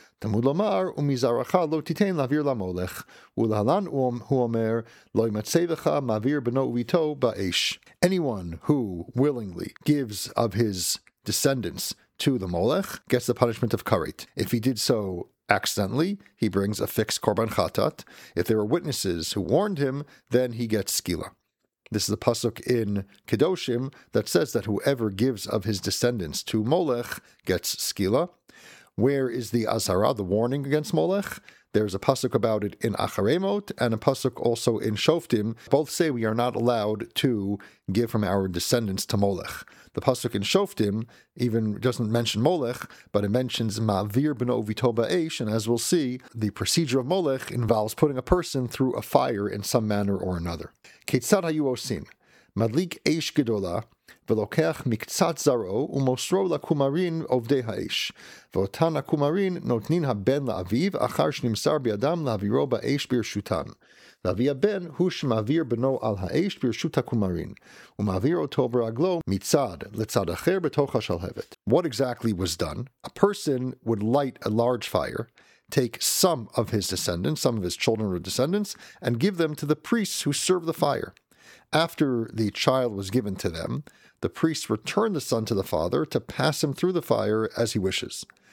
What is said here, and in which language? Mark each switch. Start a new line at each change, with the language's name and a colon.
Hebrew: תמוד לומר, ומזרעך לא תיתן להעביר למולך, ולהלן הוא אומר, לא ימצא לך מעביר בנו וביתו באש.
English: Anyone who willingly gives of his descendants to the molech gets the punishment of karet. If he did so accidentally, he brings a fixed korban chatat. If there were witnesses who warned him, then he gets skila. This is a pasuk in Kedoshim that says that whoever gives of his descendants to molech gets skila. Where is the azara, the warning against molech? There's a pasuk about it in Acharemot and a pasuk also in Shoftim. Both say we are not allowed to give from our descendants to molech. The pasuk in Shoftim even doesn't mention molech, but it mentions
Hebrew: ma'vir b'no vito ba'esh,
English: and as we'll see, the procedure of molech involves putting a person through a fire in some manner or another. Ketzad hayu osin, madlik esh gedola,
Hebrew: ולוקח מקצת זרעו ומוסרו לכומרין עובדי האש. ואותן הכומרין נותנין הבן לאביו אחר שנמסר בידם להעבירו באש ברשותן. ואבי הבן הוא שמעביר בנו על האש ברשות הכומרין, ומעביר אותו ברגלו מצד לצד אחר בתוך השלהבת.
English: What exactly was done? A person would light a large fire, take some of his descendants, some of his children or descendants, and give them to the priests who serve the fire. After the child was given to them, the priest returned the son to the father to pass him through the fire as he wishes.